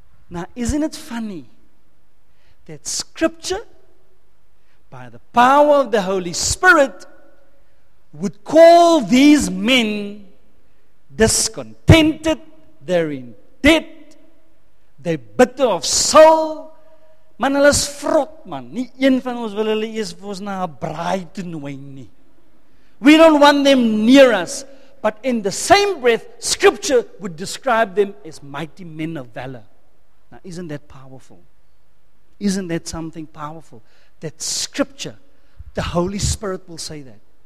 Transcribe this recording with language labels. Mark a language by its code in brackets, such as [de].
[en] Now, isn't it funny that Scripture, by the power of the Holy Spirit, would call these men discontented, they're in debt, they're bitter of soul. [af] Man, hulle is vrot, man. Nie een van ons wil hulle eers vir ons na 'n braai toe nooi nie. [en] We don't want them near us. But in the same breath, Scripture would describe them as mighty men of valor. Now, isn't that powerful? Isn't that something powerful? That Scripture, the Holy Spirit will say that.